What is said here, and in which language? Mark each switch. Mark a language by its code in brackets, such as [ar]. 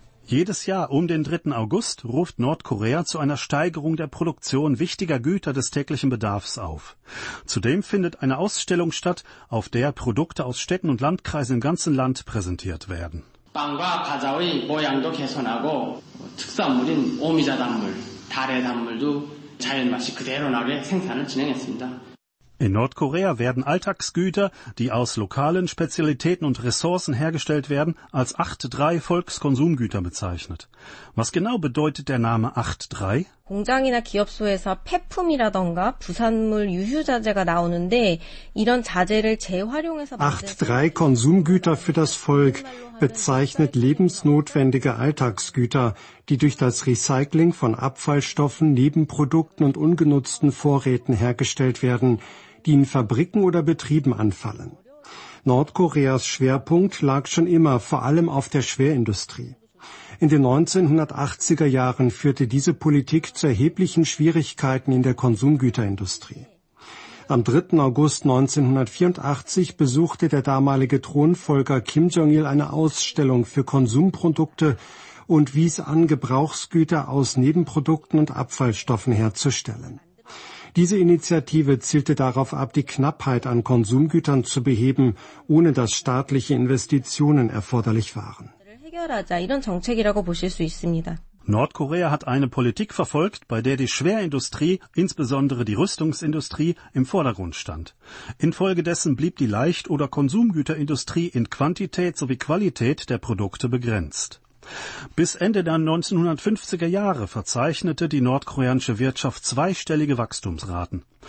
[de] Jedes Jahr um den 3. August ruft Nordkorea zu einer Steigerung der Produktion wichtiger Güter des täglichen Bedarfs auf. Zudem findet eine Ausstellung statt, auf der Produkte aus Städten und Landkreisen im ganzen Land präsentiert werden. [ko] 빵과 과자의 모양도 개선하고 특산물인 오미자 단물, 달의 단물도 자연 맛이 그대로 나게 생산을 진행했습니다. [de] In Nordkorea werden Alltagsgüter, die aus lokalen Spezialitäten und Ressourcen hergestellt werden, als 8-3 Volkskonsumgüter bezeichnet. Was genau bedeutet der Name 8-3? [ko] 공장이나 기업소에서 폐품이라던가 부산물 유휴 자재가 나오는데 이런 자재를 재활용해서 [de] 8-3 Konsumgüter für das Volk bezeichnet lebensnotwendige Alltagsgüter, die durch das Recycling von Abfallstoffen, Nebenprodukten und ungenutzten Vorräten hergestellt werden, die in Fabriken oder Betrieben anfallen. Nordkoreas Schwerpunkt lag schon immer vor allem auf der Schwerindustrie. In den 1980er Jahren führte diese Politik zu erheblichen Schwierigkeiten in der Konsumgüterindustrie. Am 3. August 1984 besuchte der damalige Thronfolger Kim Jong-il eine Ausstellung für Konsumprodukte und wies an, Gebrauchsgüter aus Nebenprodukten und Abfallstoffen herzustellen. Diese Initiative zielte darauf ab, die Knappheit an Konsumgütern zu beheben, ohne dass staatliche Investitionen erforderlich waren. [ko] 해결하자, 이런 정책이라고 보실 수 있습니다. [de] Nordkorea hat eine Politik verfolgt, bei der die Schwerindustrie, insbesondere die Rüstungsindustrie, im Vordergrund stand. Infolgedessen blieb die Leicht- oder Konsumgüterindustrie in Quantität sowie Qualität der Produkte begrenzt. Bis Ende der 1950er Jahre verzeichnete die nordkoreanische Wirtschaft zweistellige Wachstumsraten.